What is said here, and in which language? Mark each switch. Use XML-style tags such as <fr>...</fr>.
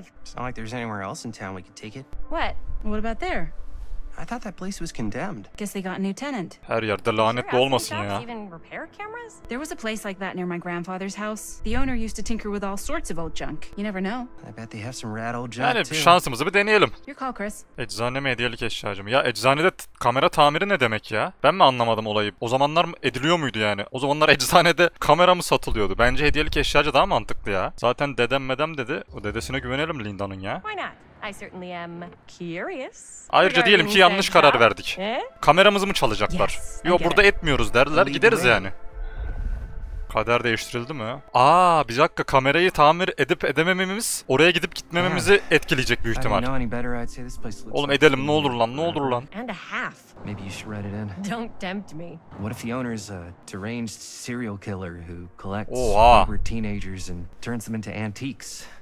<en>It's not like there's anywhere else in town we could take it. What? What about there? I thought that place was condemned. Guess they got a new tenant.</en> <tr>Her yerde lanetli olmasın ya.</tr> <en>There was a place like that near my grandfather's house. The owner used to tinker with all sorts of old junk. You never know. I bet they have some rad old junk too.</en> <tr>Yani şansımızı bir deneyelim.</tr> <en>Your call, Chris.</en> <tr>Eczane mi, hediyelik eşyacı mı? Ya eczanede kamera tamiri ne demek ya? Ben mi anlamadım olayı? O zamanlar ediliyor muydu yani? O zamanlar eczanede kamera mı satılıyordu? Bence hediyelik eşyacı daha mantıklı ya. Zaten dedem medem dedi. O dedesine güvenelim Linda'nın ya.</tr> <en>Why not? I certainly am curious.</en> <tr>Ayrıca diyelim ki yanlış karar verdik. Kameramızı mı çalacaklar? Yo, burada etmiyoruz derler, gideriz yani. Kader değiştirildi mi? Aa, bir dakika, kamerayı tamir edip edemememiz oraya gidip gitmememizi etkileyecek büyük ihtimal. Oğlum edelim, ne olur lan, ne olur lan.</tr> <en>Maybe you should write it in. Don't tempt me. What if the owner is a deranged serial killer who collects over teenagers and turns them into antiques?</en>